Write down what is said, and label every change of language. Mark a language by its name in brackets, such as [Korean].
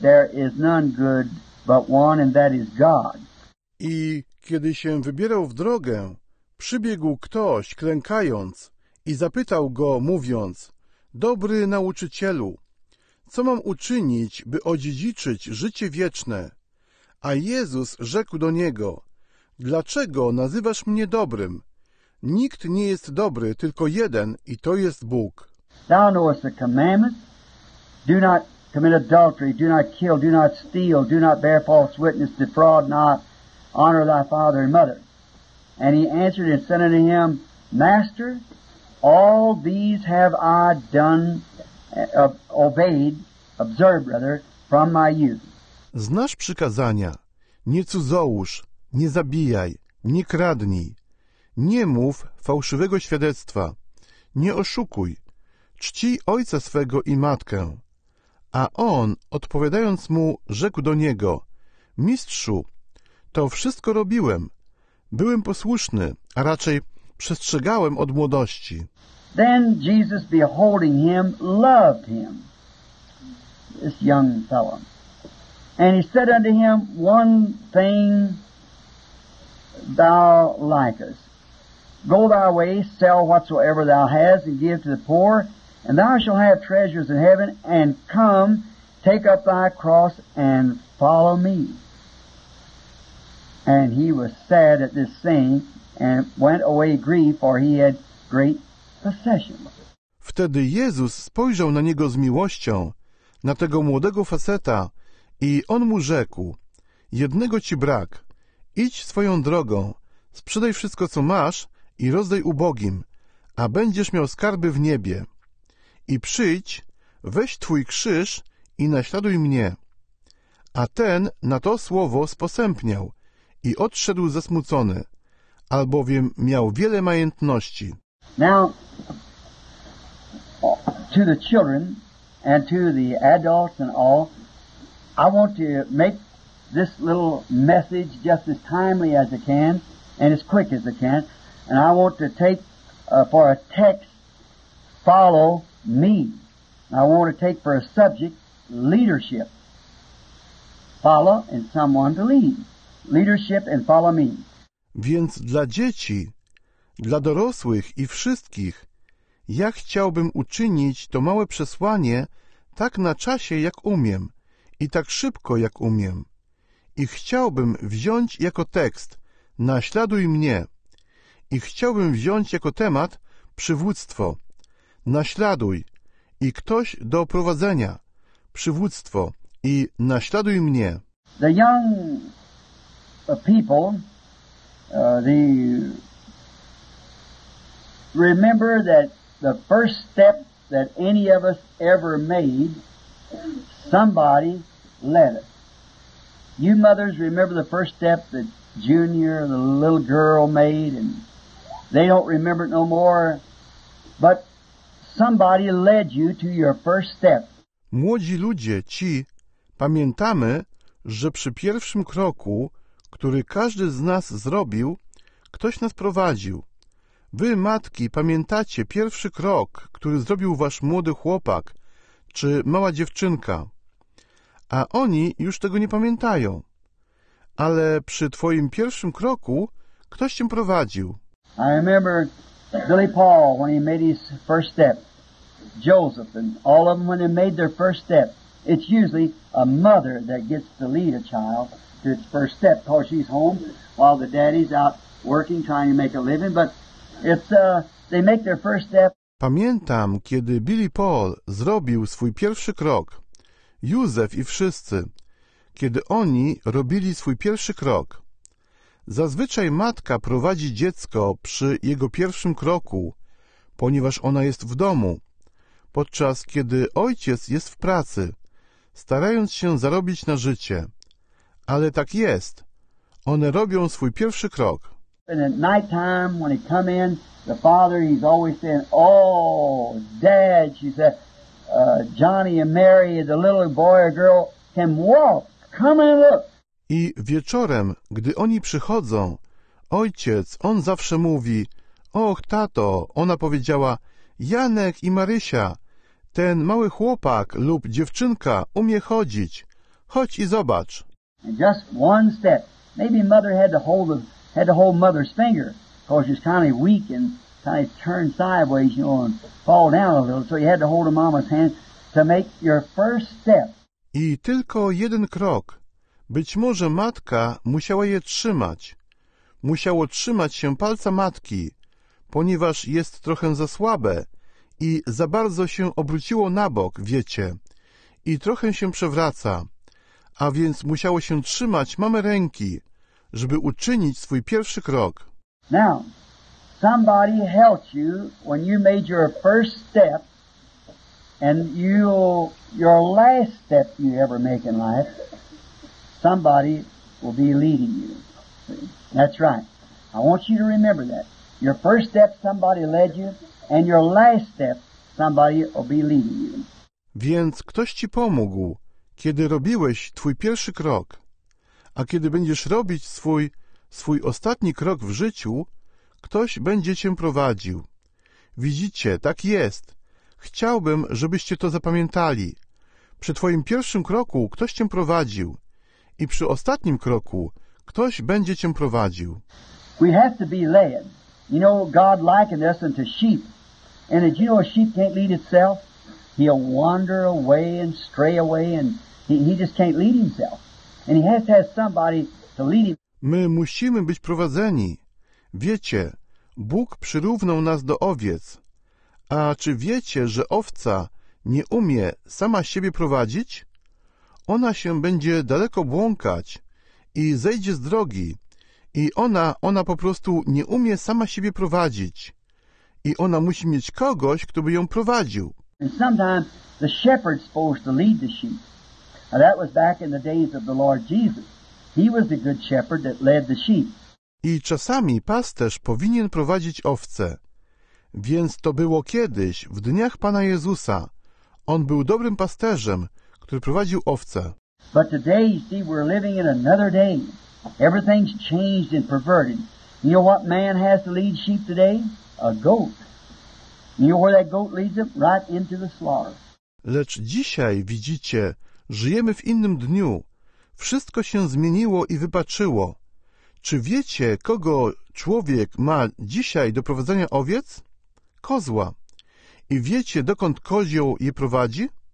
[English] There is none good but one, and that is God. [Polish] I kiedy się wybierał w drogę, przybiegł ktoś, klękając, i zapytał go, mówiąc, Dobry nauczycielu, co mam uczynić, by odziedziczyć życie wieczne? A Jezus rzekł do niego: Dlaczego nazywasz mnie dobrym? Nikt nie jest dobry, tylko jeden, i to jest Bóg. [English] Thou knowest the commandments. Do not commit adultery, do not kill, do not steal, do not bear false witness, defraud not, honor thy father and mother. And he answered and said unto him, Master, all these have I done, obeyed, observed, rather, from my youth. [Polish] Znasz przykazania. Nie cudzołóż, nie zabijaj, nie kradnij. Nie mów fałszywego świadectwa. Nie oszukuj. Czcij ojca swego i matkę. A on, odpowiadając mu, rzekł do niego: Mistrzu, to wszystko robiłem. Byłem posłuszny, a raczej przestrzegałem od młodości. [English] Then Jesus, beholding him, loved him, this young fellow. And he said unto him, One thing thou likest. Go thy way, sell whatsoever thou hast, and give to the poor, and thou shalt have treasures in heaven, and come, take up thy cross, and follow me. And he was sad at this saying, and went away grieved, for he had great possession. [Polish] Wtedy Jezus spojrzał na niego z miłością, na tego młodego faceta, i on mu rzekł: Jednego ci brak, idź swoją drogą, sprzedaj wszystko, co masz, i rozdaj ubogim, a będziesz miał skarby w niebie. I przyjdź, weź twój krzyż i naśladuj mnie. A ten na to słowo sposępniał i odszedł zasmucony, albowiem miał wiele majątności. [English] Now, to the children and to the adults and all, I want to make this little message just as timely as I can and as quick as I can. And I want to take for a text, follow me. I want to take for a subject, leadership. Follow and someone to lead. Leadership and follow me. [Polish] Więc dla dzieci, dla dorosłych i wszystkich, ja chciałbym uczynić to małe przesłanie tak na czasie, jak umiem, i tak szybko, jak umiem. I chciałbym wziąć jako tekst, naśladuj mnie. I chciałbym wziąć jako temat przywództwo. Naśladuj i ktoś do prowadzenia. Przywództwo i naśladuj mnie. [English] The young people, they remember that the first step that any of us ever made, somebody led us. You mothers remember the first step that Junior, the little girl, made, and they don't remember it no more, but somebody led you to your first step. [Polish] Młodzi ludzie, ci, pamiętamy, że przy pierwszym kroku, który każdy z nas zrobił, ktoś nas prowadził. Wy, matki, pamiętacie pierwszy krok, który zrobił wasz młody chłopak czy mała dziewczynka. A oni już tego nie pamiętają. Ale przy twoim pierwszym kroku ktoś cię prowadził. [English] I remember Billy Paul when he made his first step. Joseph and all of them when they made their first step. It's usually a mother that gets to lead a child to its first step because she's home while the daddy's out working trying to make a living. But it's they make their first step. [Polish] Pamiętam, kiedy Billy Paul zrobił swój pierwszy krok. Józef i wszyscy, kiedy oni robili swój pierwszy krok. Zazwyczaj matka prowadzi dziecko przy jego pierwszym kroku, ponieważ ona jest w domu, podczas kiedy ojciec jest w pracy, starając się zarobić na życie. Ale tak jest. One robią swój pierwszy krok. [English] And at night time, when he come in, the father, he's always saying, Oh, Dad, she said, Johnny and Mary, the little boy or girl, can walk. Come and look. [Polish] I wieczorem, gdy oni przychodzą, ojciec, on zawsze mówi: Och, tato, ona powiedziała, Janek i Marysia, ten mały chłopak lub dziewczynka umie chodzić. Chodź i zobacz. [English] And just one step. Maybe mother had to hold mother's finger, because she's kind of weak and kind of turned sideways, you know, and fall down a little. So you had to hold mama's hand to make your first step. [Polish] I tylko jeden krok. Być może matka musiała je trzymać. Musiało trzymać się palca matki, ponieważ jest trochę za słabe i za bardzo się obróciło na bok, wiecie, i trochę się przewraca, a więc musiało się trzymać mamy ręki, żeby uczynić swój pierwszy krok. [English] Now, somebody helped you when you made your first step and your last step you ever make in life. Somebody will be leading you. That's right. I want you to remember that. Your first step somebody led you, and your last step somebody will be leading you. [Polish] Więc ktoś ci pomógł, kiedy robiłeś twój pierwszy krok. A kiedy będziesz robić swój ostatni krok w życiu, ktoś będzie cię prowadził. Widzicie, tak jest. Chciałbym, żebyście to zapamiętali. Przy twoim pierwszym kroku ktoś cię prowadził. I przy ostatnim kroku ktoś będzie cię prowadził. [English] We have to be led. You know, God likened us unto sheep. And did you know a sheep can't lead itself? He'll wander away and stray away and he just can't lead himself. And he has to have somebody to lead him. [Polish] My musimy być prowadzeni. Wiecie, Bóg przyrównał nas do owiec. A czy wiecie, że owca nie umie sama siebie prowadzić? Ona się będzie daleko błąkać i zejdzie z drogi i ona po prostu nie umie sama siebie prowadzić i ona musi mieć kogoś, kto by ją prowadził. [English] And sometimes the shepherd's supposed to lead the sheep. Now that was back in the days of the Lord Jesus. He was the good shepherd that led the sheep. [Polish] I czasami pasterz powinien prowadzić owce. Więc to było kiedyś, w dniach Pana Jezusa. On był dobrym pasterzem, który prowadził owce. [English] But today, you see, we're living in another day. Everything's changed and perverted. You know what man has to lead sheep today? A goat. You know where that goat leads him? Right into the slaughter. [Polish] Lecz dzisiaj, widzicie, żyjemy w innym dniu. Wszystko się zmieniło i wypaczyło. Czy wiecie, kogo człowiek ma dzisiaj do prowadzenia owiec? Kozła. I wiecie, dokąd kozioł je prowadzi?